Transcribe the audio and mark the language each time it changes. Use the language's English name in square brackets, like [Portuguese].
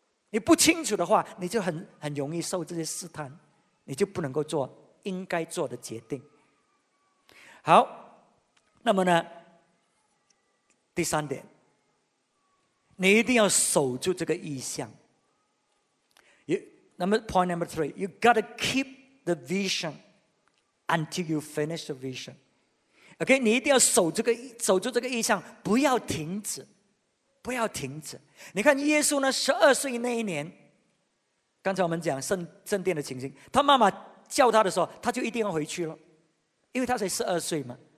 [Chinese] 你不清楚的话，你就很容易受这些试探，你就不能够做应该做的决定。好，那么呢，第三点，你一定要守住这个意向。 [English] Point number three, you gotta keep the vision until you finish the vision. [Chinese] OK， 你一定要守住这个意向，不要停止，不要停止。你看耶稣呢，十二岁那一年，刚才我们讲圣殿的情形，他妈妈叫他的时候，他就一定要回去了，因为他才十二岁嘛。